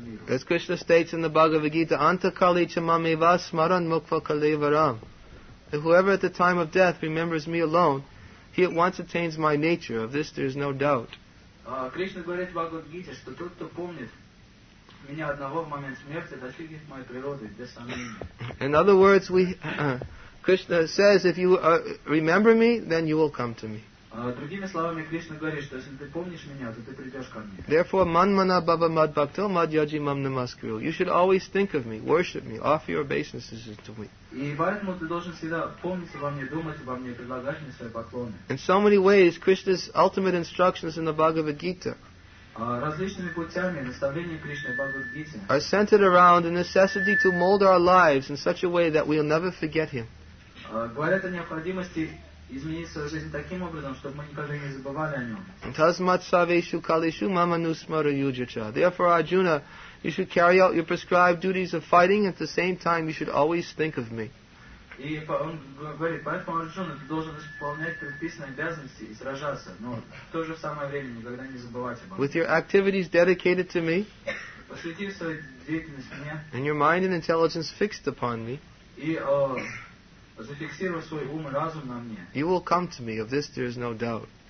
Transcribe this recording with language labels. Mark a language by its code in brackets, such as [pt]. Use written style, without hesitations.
[en] As Krishna states in the Bhagavad Gita, [sa] Antakali chamami vasmaran mukva kalivaram, [en] that whoever at the time of death remembers me alone, he at once attains my nature. Of this there is no doubt. [ru] Krishna говорит в Бхагавад Гите, что тот, кто помнит меня одного в момент смерти, достигнет моей природы без сомнения. [en] In other words, Krishna says, if you remember me, then you will come to me. [ru] Другими словами, Кришна говорит, что если ты помнишь меня, то ты придешь ко мне. [en] Therefore, [sa] manmana bhava mad bhakto mad yaji mam namaskaru. [en] You should always think of me, worship me, offer your obeisances to me. [ru] И поэтому ты должен всегда помнить обо мне, думать обо мне, предлагать мне свои поклоны. [en] In so many ways, Krishna's ultimate instructions in the Bhagavad Gita [ru] различными путями наставления Кришны в Бхагавад Гите [en] are centered around the necessity to mold our lives in such a way that we'll never forget Him. [ru] Говорят о необходимости изменить свою жизнь таким образом, чтобы мы никогда не забывали о нем. [sa] Тасмат савешу калешу маману смара юджача. [en] Therefore, Arjuna, you should carry out your prescribed duties of fighting, at the same time you should always think of me. [ru] И он говорит, поэтому Арджуна, ты должен исполнять предписанные обязанности и сражаться, но в то же самое время никогда не забывать обо мне. [en] With your activities dedicated to me, [ru] посвятив свою деятельность мне, [en] and your mind and intelligence fixed upon me, [ru] и зафиксировав свой ум и разум на мне, [en] you will come to me, of this there is no doubt.